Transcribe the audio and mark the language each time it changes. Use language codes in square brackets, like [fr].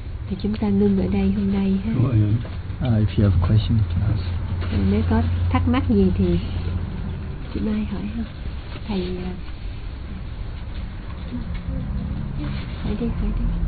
[vi] Thì chúng ta ngưng ở đây hôm nay ha. [en] If you have questions, can ask. [vi] Nếu có thắc mắc gì thì chị Mai hỏi ha. Thầy hỏi đi, hỏi đi.